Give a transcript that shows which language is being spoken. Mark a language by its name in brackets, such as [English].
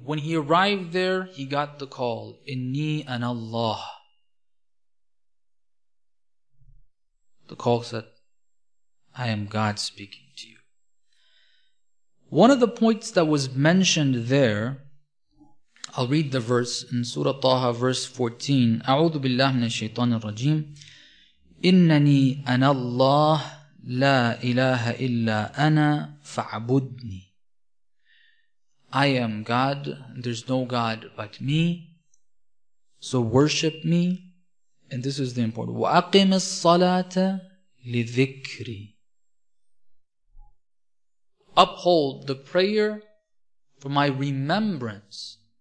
[English] When he arrived there, he got the call, [Arabic] Inni anallah. [English] The call said, I am God speaking to you. One of the points that was mentioned there, I'll read the verse in Surah Taha, verse 14. [Arabic] أعوذ بالله من الشيطان الرجيم إنني أنا الله لا إله إلا أنا فاعبدني. [English] I am God, there's no God but me, so worship me. And this is the important. [Arabic] وأقم الصلاة لذكري. [English] Uphold the prayer for my remembrance.